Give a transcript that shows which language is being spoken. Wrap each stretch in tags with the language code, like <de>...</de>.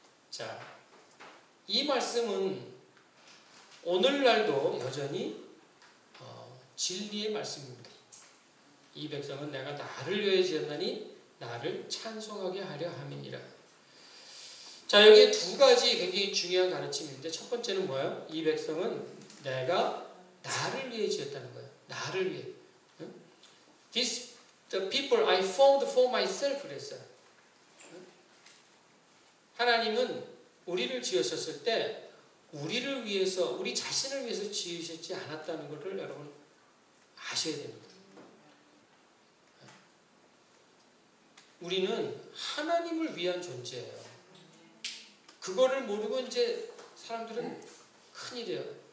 <ko>자, 이 말씀은 오늘날도 여전히 진리의 말씀입니다. 이 백성은 내가 나를 위해 지었나니 나를 찬송하게 하려 함이니라. 자, 여기에 두 가지 굉장히 중요한 가르침인데 첫 번째는 뭐예요? 이 백성은 내가 나를 위해 지었다는 거예요. 나를 위해. 응?</ko> <en>This the people I formed for myself</en> <ko>그랬어요. 하나님은 우리를 지으셨을 때 우리를 위해서 우리 자신을 위해서 지으셨지 않았다는 것을 여러분 아셔야 됩니다. 우리는 하나님을 위한 존재예요. 그거를 모르고 이제 사람들은 큰일이에요.</ko>